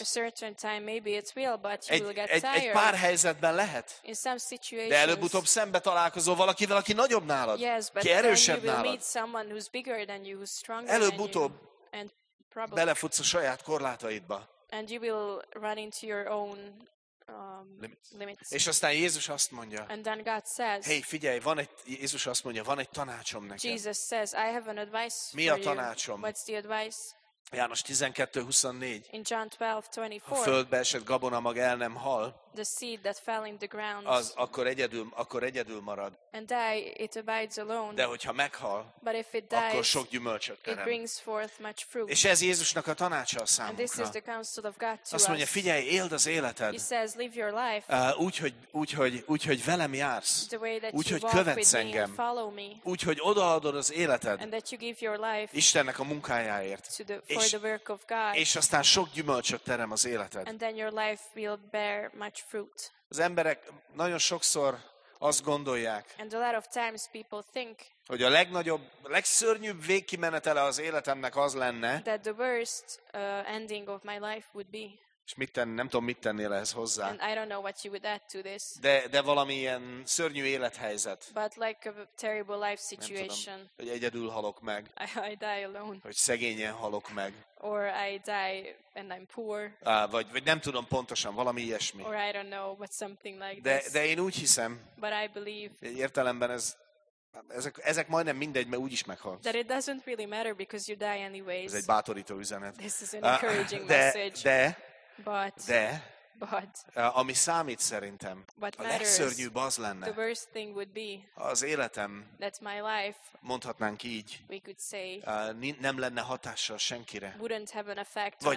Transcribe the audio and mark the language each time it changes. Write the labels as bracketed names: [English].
[English] A certain time maybe it will, but you will get tired. [Hungarian] Egy pár helyzetben lehet. [English] In some situations, [Hungarian] de előbb-utóbb szembe találkozol valakivel, aki nagyobb nálad. [English] Yes, but [Hungarian] ki erősebb [English] then you will [Hungarian] nálad [English] meet someone who's bigger than you, who's stronger [Hungarian] előbb-utóbb [English] than you. [Hungarian] Belefutsz a saját korlátaidba. [English] And you will run into your own limits. [Hungarian] És aztán Jézus azt mondja. [English] And then God says, [Hungarian] hey, figyelj, van egy Jézus azt mondja, van egy tanácsom neked. [English] Jesus says, I have an advice [Hungarian] mi [English] for [Hungarian] a tanácsom? [English] You. What's the advice? [Hungarian] János 12:24. [English] In John 12:24. [Hungarian] Ha földbe esett gabonamag el nem hal. [English] the seed that fell in the ground. [Hungarian] Az akkor egyedül marad. [English] And die, it abides alone. [Hungarian] De hogyha meghal, [English] but if it dies, [Hungarian] akkor sok gyümölcsöt terem. [English] It brings forth much fruit. [Hungarian] És ez Jézusnak a tanácsa a számunkra. [English] And this is the counsel of God to us. [Hungarian] Azt mondja, figyelj, éld az életed. [English] He says, live your life. [Hungarian] Úgyhogy velem jársz. Úgyhogy követsz engem. Úgyhogy odaadod az életed. [English] And that you give your life. [Hungarian] Istennek a munkájáért. [English] For the work of God. [Hungarian] És aztán sok gyümölcsöt terem az életed. [English] And then your life will bear much fruit. [Hungarian] Az emberek nagyon sokszor azt gondolják, [English] and a lot of times people think, [Hungarian] hogy a legnagyobb, legszörnyűbb végkimenetele az életemnek az lenne, [English] that the worst ending of my life would be. [Hungarian] És mit tenni, nem tudom, mit tennél ehhez hozzá. [English] And I don't know what you would add to this. [Hungarian] De valami ilyen szörnyű élethelyzet. [English] But like a terrible life situation. [Hungarian] Tudom, hogy egyedül halok meg. [English] I die alone. [Hungarian] Hogy szegényen halok meg. [English] Or I die and I'm poor. [Hungarian] Vagy nem tudom pontosan, valami ilyesmi. [English] Or I don't know, but something like [Hungarian] de, [English] this. [Hungarian] De én úgy hiszem. [English] But I believe. [Hungarian] Egy értelemben ezek majdnem mindegy, mert úgyis meghalsz. [English] That it doesn't really matter because you die anyways. [Hungarian] Ez egy bátorító üzenet. [English] This is an encouraging message. [Hungarian] De ami számít szerintem, a legszörnyűbb az lenne, [English] the worst thing would be, [Hungarian] az életem, [English] that's my life, [Hungarian] mondhatnánk így, [English] we could say, [Hungarian] nem lenne hatással senkire, [English] wouldn't have an effect [Hungarian] vagy